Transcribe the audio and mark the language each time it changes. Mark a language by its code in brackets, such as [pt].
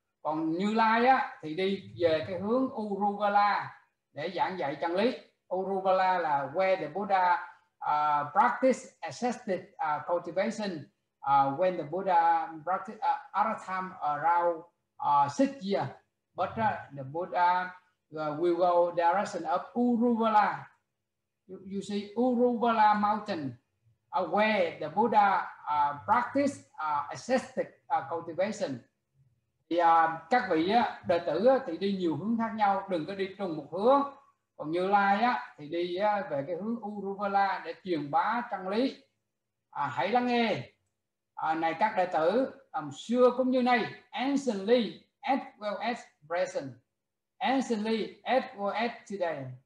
[vi] Còn Như Lai á thì đi về cái hướng Uruvela để giảng dạy chân lý. [en] Uruvela là where the Buddha practice assisted cultivation when the Buddha practice other time around 6 years. But the Buddha will go direction of Uruvela. You see Uruvela mountain, where the Buddha practice ascetic cultivation. [vi] Thì các vị đệ tử thì đi nhiều hướng khác nhau, đừng có đi trùng một hướng. Còn Như Lai thì đi về cái hướng Uruvela để truyền bá chân lý. Hãy lắng nghe, này các đệ tử, xưa cũng như nay, [en] anciently as well as present, anciently as well as today.